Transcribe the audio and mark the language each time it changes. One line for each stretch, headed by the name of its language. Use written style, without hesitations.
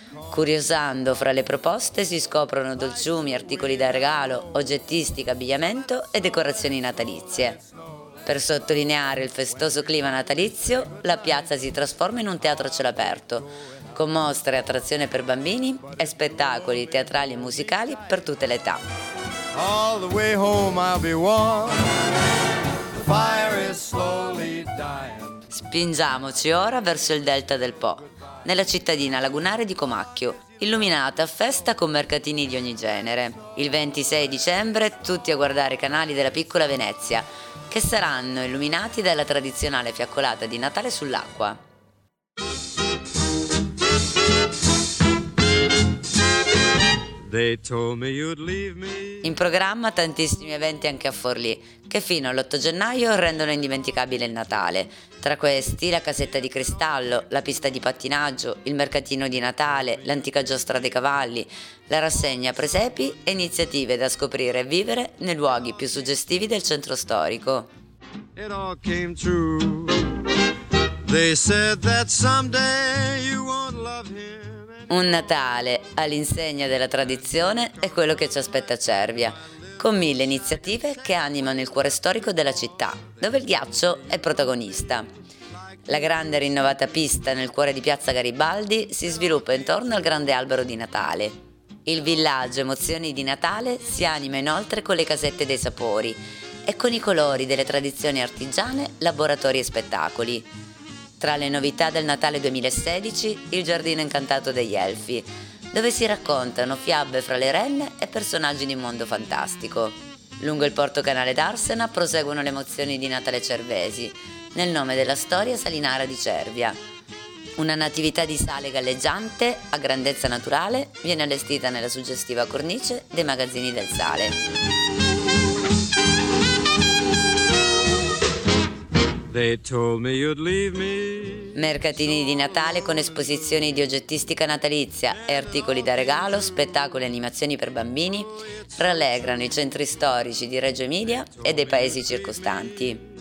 Italian: Curiosando fra le proposte si scoprono dolciumi, articoli da regalo, oggettistica, abbigliamento e decorazioni natalizie. Per sottolineare il festoso clima natalizio, la piazza si trasforma in un teatro a cielo aperto, con mostre e attrazioni per bambini e spettacoli teatrali e musicali per tutte le età.
English: All the way home I'll be warm. Fire is slowly dying.
Italian: Spingiamoci ora verso il delta del Po, nella cittadina lagunare di Comacchio, illuminata a festa con mercatini di ogni genere. Il 26 dicembre tutti a guardare i canali della piccola Venezia, che saranno illuminati dalla tradizionale fiaccolata di Natale sull'acqua.
English: They told me you'd leave me.
Italian: In programma tantissimi eventi anche a Forlì, che fino all'8 gennaio rendono indimenticabile il Natale. Tra questi la casetta di cristallo, la pista di pattinaggio, il mercatino di Natale, l'antica giostra dei cavalli, la rassegna presepi e iniziative da scoprire e vivere nei luoghi più suggestivi del centro storico.
English: It all came true. They said that someday you won't love him.
Italian: Un Natale all'insegna della tradizione è quello che ci aspetta a Cervia, con mille iniziative che animano il cuore storico della città, dove il ghiaccio è protagonista. La grande rinnovata pista nel cuore di Piazza Garibaldi si sviluppa intorno al grande albero di Natale. Il villaggio Emozioni di Natale si anima inoltre con le casette dei sapori e con i colori delle tradizioni artigiane, laboratori e spettacoli. Tra le novità del Natale 2016, il Giardino Incantato degli Elfi, dove si raccontano fiabe fra le renne e personaggi di un mondo fantastico. Lungo il Porto Canale d'Arsena proseguono le Emozioni di Natale Cervesi, nel nome della storia salinara di Cervia. Una natività di sale galleggiante, a grandezza naturale, viene allestita nella suggestiva cornice dei Magazzini del Sale.
English: They told me you'd leave me.
Italian: Mercatini di Natale con esposizioni di oggettistica natalizia e articoli da regalo, spettacoli e animazioni per bambini rallegrano i centri storici di Reggio Emilia e dei paesi circostanti.